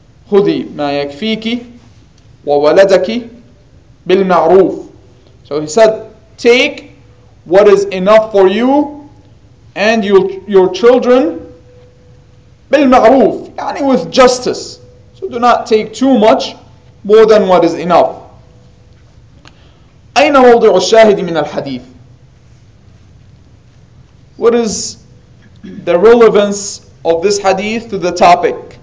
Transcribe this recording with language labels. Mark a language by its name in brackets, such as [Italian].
[Arabic] خذي ما يكفيك وولدك بالمعروف. [English] So he said, take what is enough for you and your children بالمعروف. يعني with justice. So do not take too much more than what is enough. [Arabic] أين موضع الشاهد من الحديث? [English] What is the relevance of this hadith to the topic?